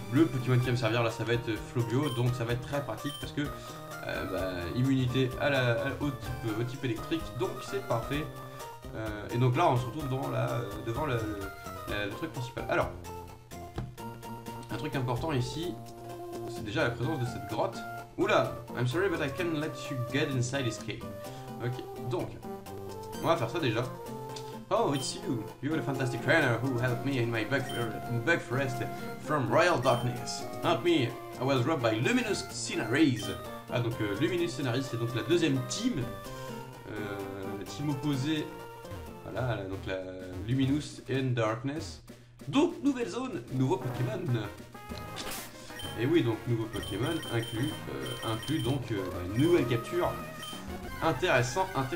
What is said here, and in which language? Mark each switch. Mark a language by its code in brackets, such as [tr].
[fr] Le Pokémon qui va me servir là, ça va être Flobio. Donc, ça va être très pratique parce que. Bah, immunité à la, au type électrique. Donc, c'est parfait. Et donc là, on se retrouve dans la, devant le truc principal. Alors. Un truc important ici, c'est déjà la présence de cette grotte. [en] Oula, I'm sorry but I can't let you get inside this cave. [fr] Ok, donc, on va faire ça déjà. [en] Oh, it's you. You're the fantastic trainer who helped me in my back forest from Royal Darkness. Help me, I was robbed by Luminous Scenaries. [fr] Ah, donc Luminous Scenaries, c'est donc la deuxième team. La team opposée. Voilà, donc la Luminous and Darkness. Donc, nouvelle zone, nouveau Pokémon. Et oui, donc, nouveau Pokémon inclut donc une nouvelle capture intéressante.